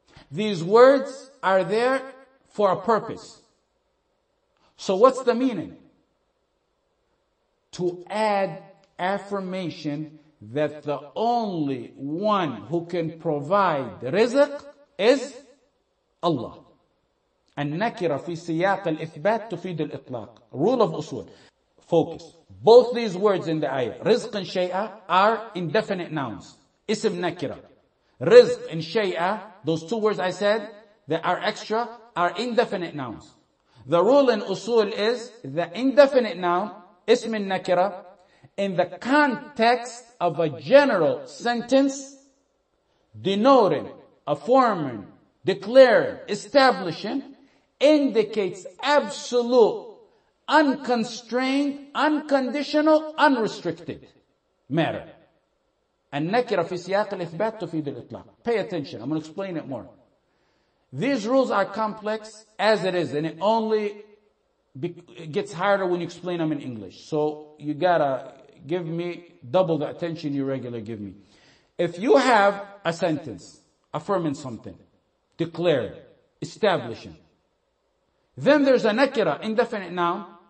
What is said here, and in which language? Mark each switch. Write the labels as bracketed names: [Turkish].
[English] These words are there for a purpose. So what's the meaning? To add affirmation that the only one who can provide the rizq is Allah. [Arabic] النكرة في سياق الإثبات تفيد الإطلاق. [English] Rule of usul. Focus. Both these words in the ayah, rizq and shay'a, are indefinite nouns. Ism nakira. Rizq and shay'a, those two words I said, that are extra are indefinite nouns. The rule in usul is the indefinite noun, ism al-nakira, in the context of a general sentence denoting, affirming, declaring, establishing, indicates absolute, unconstrained, unconditional, unrestricted matter. [Arabic] النكرة في سياق الإثبات تفيد الإطلاق. [English] Pay attention. I'm going to explain it more. These rules are complex as it is, and it only gets harder when you explain them in English. So you gotta give me double the attention you regularly give me. If you have a sentence affirming something, declaring, establishing, then there's a nakira, indefinite noun.